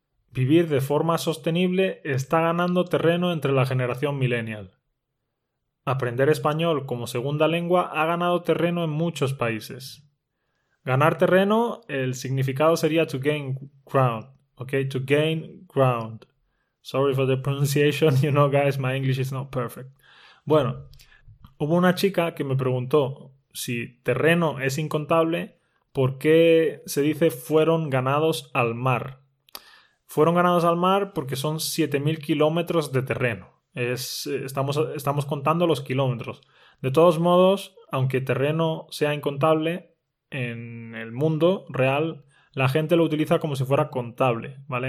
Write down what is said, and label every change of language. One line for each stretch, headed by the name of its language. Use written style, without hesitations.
Spanish: Vivir de forma sostenible está ganando terreno entre la generación millennial. Aprender español como segunda lengua ha ganado terreno en muchos países. Ganar terreno, el significado sería
English: to gain ground,
Spanish: ¿ok?
English: To gain ground. Sorry for the pronunciation, you know, guys, my English is not perfect.
Spanish: Bueno, hubo una chica que me preguntó si terreno es incontable, ¿por qué se dice fueron ganados al mar? Fueron ganados al mar porque son 7.000 kilómetros de terreno. Estamos contando los kilómetros. De todos modos, aunque terreno sea incontable en el mundo real, la gente lo utiliza como si fuera contable, ¿vale?